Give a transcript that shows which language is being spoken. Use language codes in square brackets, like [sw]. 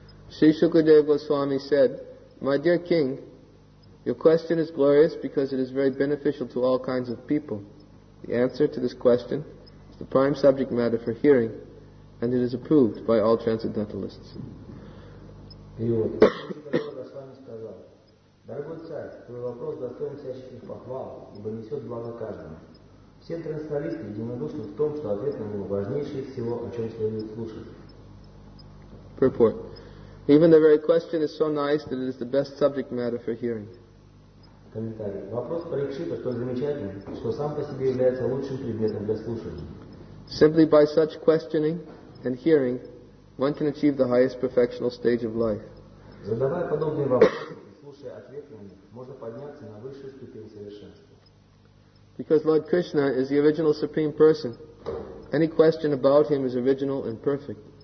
[en] Sri Shukadeva Goswami said, "My dear King, your question is glorious because it is very beneficial to all kinds of people. The answer to this question is the prime subject matter for hearing, and it is approved by all transcendentalists." [ru] Все трансценденталисты единодушны в том, что ответ на него важнейший из всего, о чем следует слушать. [en] Purport. Even the very question is so nice that it is the best subject matter for hearing. [ru] Комментарий. Вопрос Парикшита столь замечательный, что сам по себе является лучшим предметом для слушания. [en] Simply by such questioning and hearing, one can achieve the highest perfectional stage of life. [ru] Задавая подобные вопросы, слушая ответ на них, можно подняться на высшую ступень совершенства. [en] Because Lord Krishna is the original Supreme Person, any question about Him is original and perfect.